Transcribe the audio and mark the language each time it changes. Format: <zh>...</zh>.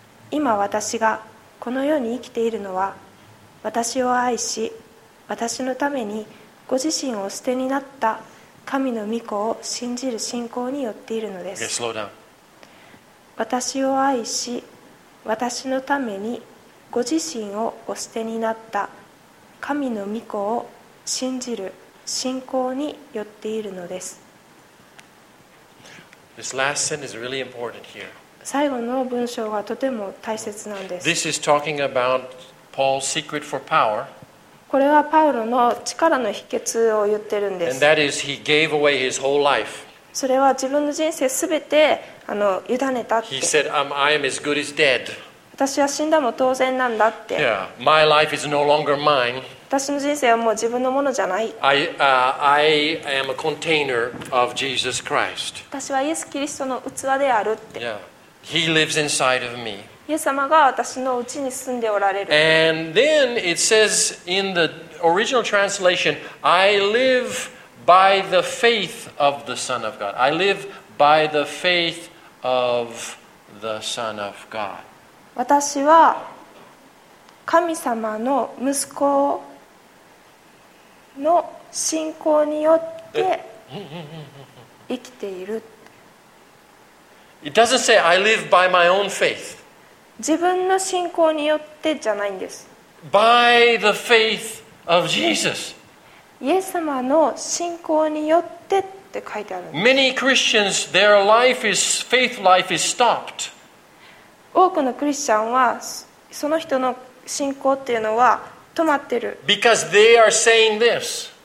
<ja>今私がこの世に生きているのは、私を愛し、私のためにご自身を捨てになった神の御子を信じる信仰によっているのです。</ja> <en>Slow down.</en> <ja>私を愛し、私のためにご自身をお捨てになった神の御子を信じる信仰によっているのです。</ja> <en>This last sentence is really important here.</en> <ja>最後の文章がとても大切なんです。</ja> <en>This is talking about Paul's secret for power.</en> <ja>これはパウロの力の秘訣を言ってるんです。</ja> <en>And that is he gave away his whole life.</en> <ja>それは自分の人生すべて委ねたって。</ja> <en>He said, "I am as good as dead."</en> <ja>私は死んだも当然なんだって。</ja> <en>Yeah, my life is no longer mine.</en> <ja>私の人生はもう自分のものじゃない。</ja> <en>I am a container of Jesus Christ.</en> <ja>私はイエス・キリストの器であるって。</ja> <en>Yeah. He lives inside of me.</en> <ja>イエス様が私の内に住んでおられる。</ja> <en>And then it says in the original translation, I live by the faith of the Son of God. I live by the faith of the Son of God.</en> <ja>私は神様の息子をの信仰によって生きている。</ja> <en>It doesn't say I live by my own faith.</en> <ja>自分の信仰によってじゃないんです。</ja> <en>By the faith of Jesus.</en> <ja>イエス様の信仰によってって書いてあるんです。</ja> <en>Many Christians, their life is faith life is stopped.</en> <ja>多くのクリスチャンはその人の信仰っていうのは止まってる。</ja> <en>Because they are saying this.</en>